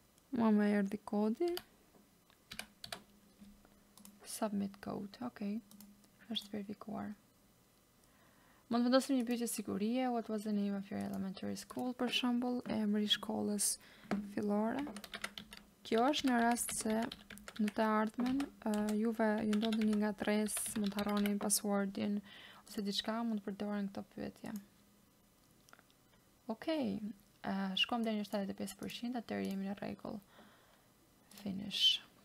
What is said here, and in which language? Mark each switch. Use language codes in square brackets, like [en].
[sq] Mua me erdi kodi. [en] Submit code, okay. [sq] Është verifikuar. Mund të vendosim një pyetje sigurie. [en] What was the name of your elementary school, [sq] për shembull, emri shkollës fillore. Kjo është në rast se në të ardhmen, juve ju ndodheni nga tres, mund të harroni passwordin ose diçka, mund të përdorin këto pyetje. Okay, shkojmë deri në 75%, atëherë jemi në rregull. Finish.